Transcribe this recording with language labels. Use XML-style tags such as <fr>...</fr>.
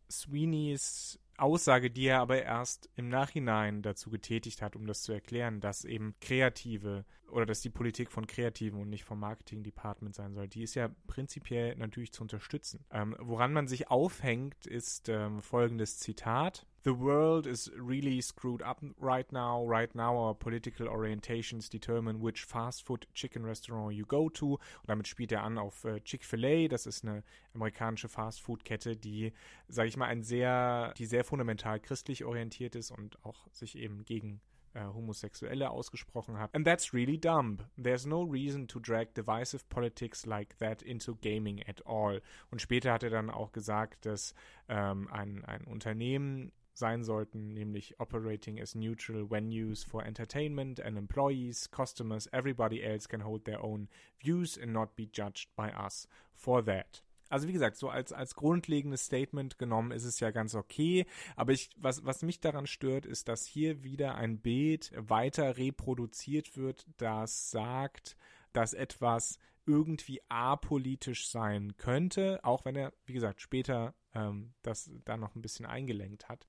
<de>Sweeneys Aussage, die er aber erst im Nachhinein dazu getätigt hat, um das zu erklären, dass eben Kreative oder dass die Politik von Kreativen und nicht vom Marketing-Department sein soll, die ist ja prinzipiell natürlich zu unterstützen. Woran man sich aufhängt, ist folgendes Zitat:</de> <en>The world is really screwed up right now. Right now our political orientations determine which fast food chicken restaurant you go to.</en> <de>Und damit spielt er an auf Chick-fil-A. Das ist eine amerikanische Fast Food Kette, die, sage ich mal, die sehr fundamental christlich orientiert ist und auch sich eben gegen Homosexuelle ausgesprochen hat.</de> <en>And that's really dumb. There's no reason to drag divisive politics like that into gaming at all.</en> <de>Und später hat er dann auch gesagt, dass ein Unternehmen sein sollten, nämlich</de> <en>operating as neutral venues for entertainment and employees, customers, everybody else can hold their own views and not be judged by us for that.</en> <de>Also wie gesagt, so als grundlegendes Statement genommen ist es ja ganz okay, aber was mich daran stört, ist, dass hier wieder ein Bild weiter reproduziert wird, das sagt, dass etwas irgendwie apolitisch sein könnte, auch wenn er, wie gesagt, später das da noch ein bisschen eingelenkt hat.</de>